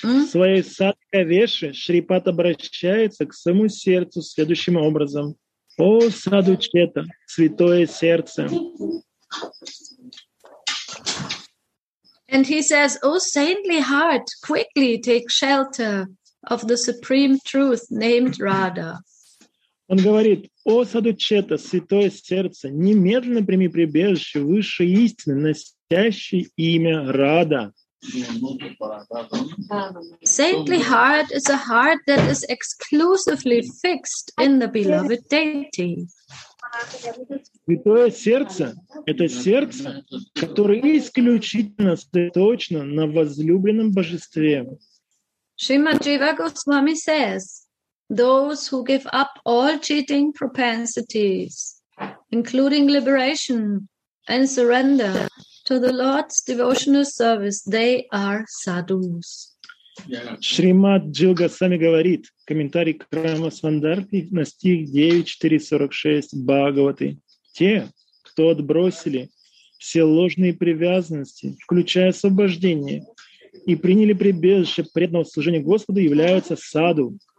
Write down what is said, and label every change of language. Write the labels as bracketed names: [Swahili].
[Russian] Своей садхавеше Шрипад обращается к своему сердцу следующим образом. О, саду чета, святое сердце. [English] And he says, O saintly heart, quickly take shelter of the supreme truth named Radha. [Russian] Он говорит, о саду чета, святое сердце, немедленно прими прибежище высшей истины, носящей имя Рада. [English] Saintly heart is a heart that is exclusively fixed in the beloved deity. [Russian] Святое сердце – это сердце, которое исключительно сосредоточено на возлюбленном божестве. [English] Shrimad Jiva Goswami says, those who give up all cheating propensities including liberation and surrender to the Lord's devotional service, they are sadhus. [Russian] Шримад Джилга Свами говорит, комментарий к Рама Свандарти на стих 9.4.46 Бхагаваты. Те, кто отбросили все ложные привязанности, включая освобождение, и приняли прибежище преданного служения Господу, являются саду.